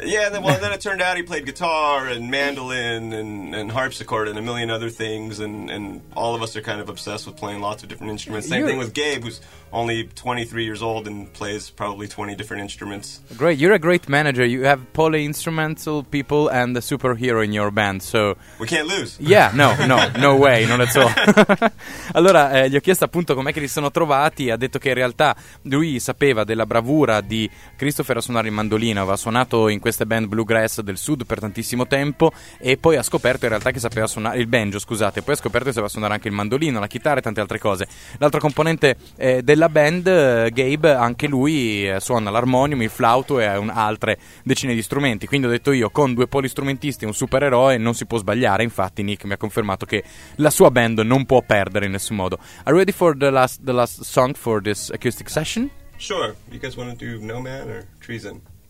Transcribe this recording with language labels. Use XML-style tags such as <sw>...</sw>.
<en>Yeah, then it turned out he played guitar and mandolin and harpsichord and a million other things, and all of us are kind of obsessed with playing lots of different instruments. Same thing with Gabe, who's only 23 years old and plays probably 20 different instruments. Great, you're a great manager. You have polyinstrumental people and the superhero in your band, so... We can't lose. Yeah, no, no way, non at all.</en> <it>Allora, gli ho chiesto appunto com'è che li sono trovati, ha detto che in realtà lui sapeva della bravura di... Christopher a suonare in mandolino, aveva suonato in queste band bluegrass del sud per tantissimo tempo e poi ha scoperto in realtà che sapeva suonare il banjo, scusate, poi ha scoperto che sapeva suonare anche il mandolino, la chitarra e tante altre cose. L'altro componente della band, Gabe, anche lui suona l'armonium, il flauto e altre decine di strumenti, quindi ho detto io, con due polistrumentisti e un supereroe non si può sbagliare. Infatti Nick mi ha confermato che la sua band non può perdere in nessun modo.</it> <en>Are you ready for the last song for this acoustic session? Sure. You guys want to do No Man or Treason?</en>